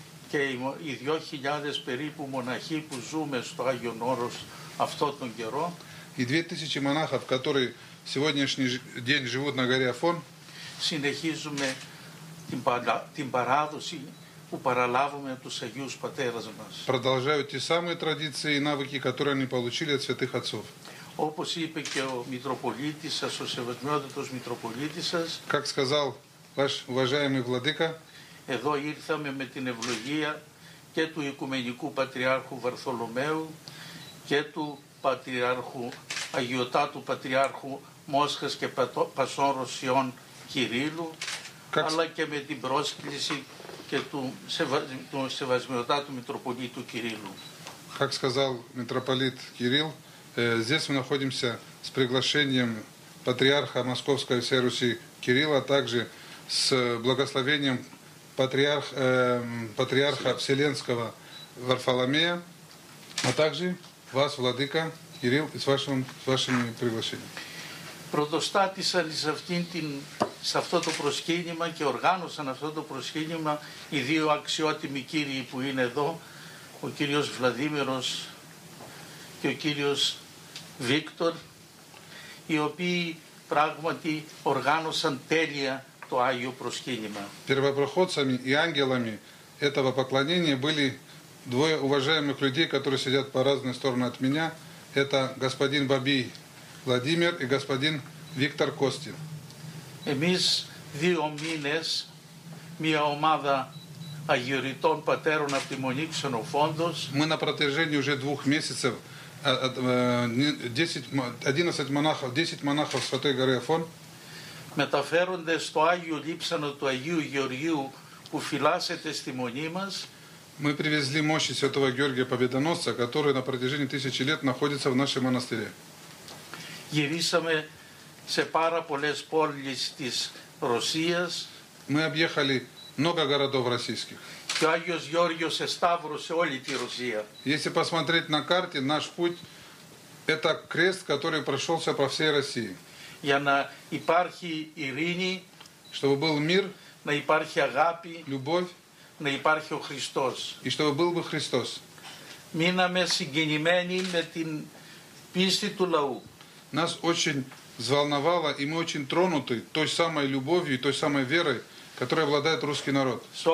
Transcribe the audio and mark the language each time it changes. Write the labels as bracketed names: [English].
[Greek] Και οι 2000 περίπου μοναχοί που ζούμε στο Άγιον Όρος αυτό τον καιρό. Οι 2000 μονάχοι, [Russian] которые сегодняшний день живут на горе Афон, [Greek] συνεχίζουμε την παράδοση που παραλάβουμε από τους Αγίους Πατέρας μας. [Russian] Продолжают те самые традиции и навыки, которые они получили от святых отцов. [Greek] Όπως είπε και ο Μητροπολίτης σας, ο Σεβασμιότατος Μητροπολίτης σας. [Russian] Как сказал ваш уважаемый владыка. [Greek] Εδώ ήρθαμε με την ευλογία και του Οικουμενικού Πατριάρχου Βαρθολομαίου και του Πατριάρχου, Αγιωτάτου Πατριάρχου Μόσχας και Πασών Ρωσιών Κυρίλου, αλλά και με την πρόσκληση και του Σεβασμιωτάτου Μητροπολίτου Κυρίλου. [Russian] Как сказал митрополит Кирилл, здесь мы находимся с приглашением патриарха Московской всей Руси Кирилла, также с благословением патриарха Вселенского Варфоломея, а также вас, владыка Кирилл, и с вашим приглашением. [Greek] Πρωτοστάτησαν σε αυτό το προσκύνημα και οργάνωσαν αυτό το προσκύνημα οι δύο αξιότιμοι κύριοι που είναι εδώ, ο κύριος Βλαδίμηρος και ο κύριος Βίκτορ, οι οποίοι πράγματι οργάνωσαν τέλεια το Άγιο Προσκύνημα. [Russian] Первопроходцами и ангелами этого поклонения были двое уважаемых людей, которые сидят по разные стороны от меня. Это господин Бабий Владимир и господин Виктор Костин. [Greek] Εμείς δύο μήνες, μια ομάδα αγιοριτών πατέρων από τη Μονή Ξενοφόντος. [Russian] Мы на протяжении уже двух месяцев 10 монахов Святой Горы Афон. [Greek] Μεταφέρονται στο Άγιο Λείψανο του Αγίου Γεωργίου που φυλάσσεται στη Μονή μας. [Russian] Мы привезли мощи Святого Георгия Победоносца, который на протяжении тысячи лет находится в нашем монастыре. [Greek] Γυρίσαμε σε πάρα πολλές πόλεις της Ρωσίας. [Russian] Мы объехали много городов российских. [Greek] Και ο Άγιος Γιώργος εσταύρωσε όλη τη Ρωσία. [Russian] Если посмотреть на карте, наш путь это крест, который прошелся по всей России. [Greek] Για να υπάρχει ειρήνη, [Russian] чтобы был мир, [Greek] να υπάρχει αγάπη, [Russian] любовь, [Greek] να υπάρχει ο Χριστός. [Russian] И чтобы был бы Христос. [Greek] Μείναμε συγκινημένοι με την πίστη του λαού. [Russian] Нас очень взволновало, и мы очень тронуты той самой любовью и той самой верой, которой обладает русский народ.